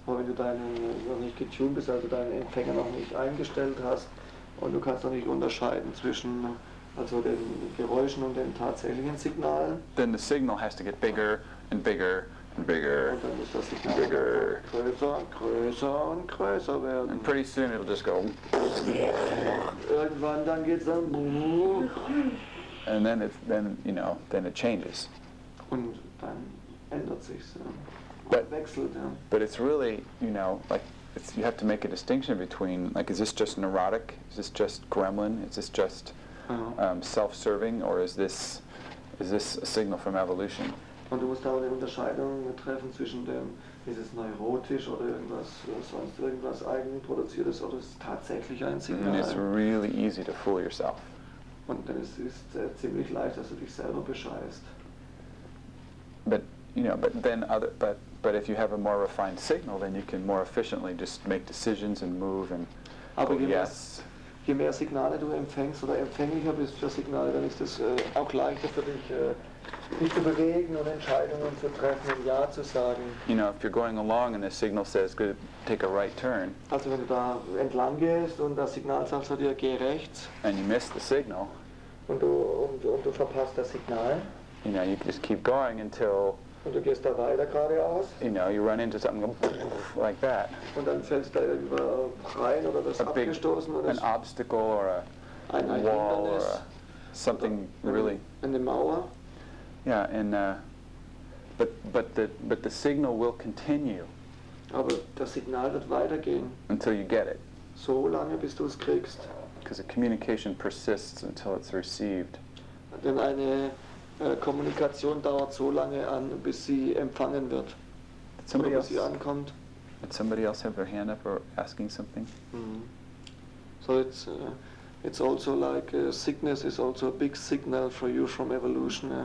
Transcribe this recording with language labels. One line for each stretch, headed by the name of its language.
German: Aber wenn du deinen noch nicht getuned bist, also deinen Empfänger noch nicht eingestellt hast, und du kannst noch nicht unterscheiden zwischen also den Geräuschen und den tatsächlichen Signalen.
English: Then the signal has to get bigger and bigger. Bigger, bigger,
German: größer, größer und größer werden.
English: And pretty soon it'll just go.
German: Irgendwann dann geht's dann.
English: And then then it changes.
German: Und dann ändert sich's. But wechselt, ja.
English: But it's really, you know, like it's, you have to make a distinction between, like, is this just neurotic? Is this just gremlin? Is this just self-serving, or is this a signal from evolution?
German: Und du musst da eine Unterscheidung treffen zwischen dem, ist es neurotisch oder irgendwas sonst irgendwas eigenproduziertes, oder ist es tatsächlich ein Signal?
English: It's really easy to fool yourself.
German: Und dann ist ziemlich leicht, dass du dich selber bescheißt.
English: But if you have a more refined signal, then you can more efficiently just make decisions and move and
German: aber
English: go yes.
German: Je mehr Signale du empfängst oder empfänglicher bist für Signale, dann ist es auch leichter für dich, dich zu bewegen und Entscheidungen zu treffen und Ja zu sagen.
English: You know, if you're going along and the signal says, good, take a right turn.
German: Also wenn du da entlang gehst und das Signal sagt zu dir, geh rechts.
English: And you miss the signal.
German: Und du verpasst das Signal.
English: You know, you just keep going until.
German: Und du gehst da weiter geradeaus.
English: You know, you run into something like that.
German: Und dann fällst du da irgendwo rein oder wirst abgestoßen oder
English: an obstacle or a wall or a something really.
German: Eine Mauer.
English: Yeah, and but the signal will continue.
German: Aber das Signal wird weitergehen.
English: Until you get it.
German: So lange, bis du es kriegst.
English: Because the communication persists until it's received.
German: Denn eine Kommunikation dauert so lange an, bis sie empfangen wird.
English: Somebody
German: oder
English: else,
German: bis sie ankommt.
English: Did somebody else have their hand up or asking something? Mm-hmm. So it's also like a sickness is also a big signal for you from evolution.